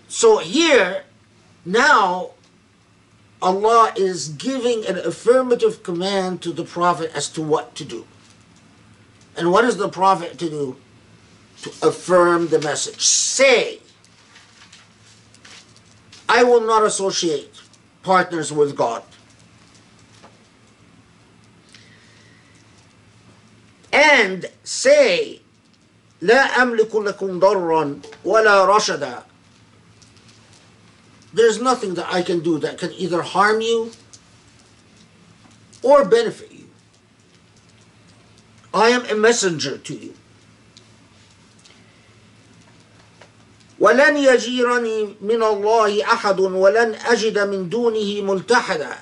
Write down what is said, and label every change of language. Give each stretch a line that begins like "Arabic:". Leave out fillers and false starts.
English: So here, now, Allah is giving an affirmative command to the Prophet as to what to do. And what is the Prophet to do? To affirm the message. Say, I will not associate partners with God. And say,
Arabic: لا أملك لكم ضرا ولا رشدا.
English: There's nothing that I can do that can either harm you or benefit you. I am a messenger to you.
Arabic: وَلَنْ يَجِيرَنِي مِنَ اللَّهِ أَحَدٌ وَلَنْ أَجِدَ مِنْ دُونِهِ مُلْتَحَدًا.